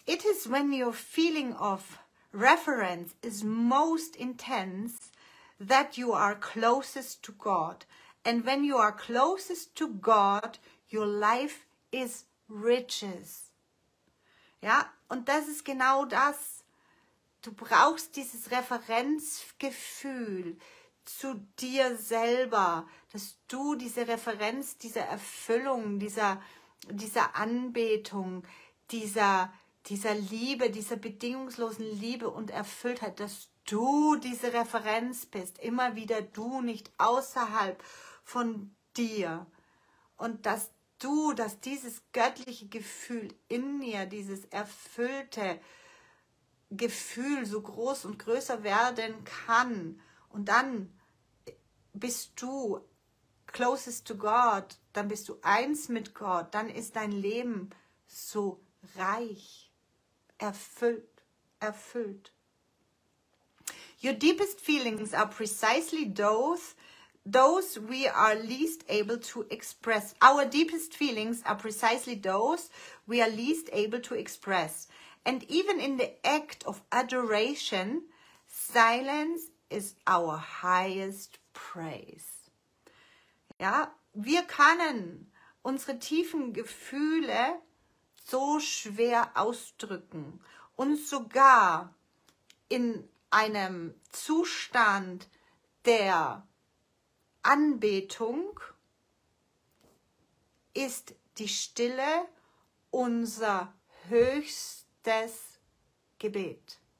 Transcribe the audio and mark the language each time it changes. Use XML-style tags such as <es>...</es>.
<en>It is when your feeling of reference is most intense that you are closest to God. And when you are closest to God, your life is riches.</en> <de>Ja, und das ist genau das. Du brauchst dieses Referenzgefühl zu dir selber, dass du diese Referenz, diese Erfüllung, dieser Anbetung, dieser Liebe, dieser bedingungslosen Liebe und Erfülltheit, dass du diese Referenz bist, immer wieder du, nicht außerhalb von dir. Und dass du, dass dieses göttliche Gefühl in dir, dieses erfüllte Gefühl so groß und größer werden kann. Und dann bist du</de> <en>closest to God,</en> <de>dann bist du eins mit Gott, dann ist dein Leben so reich, erfüllt, erfüllt.</de> <en>Your deepest feelings are precisely those we are least able to express. Our deepest feelings are precisely those we are least able to express. And even in the act of adoration, silence is our highest praise.</en> <de>Ja, wir können unsere tiefen Gefühle so schwer ausdrücken und sogar in einem Zustand der Anbetung ist die Stille unser höchstes Gebet.</de>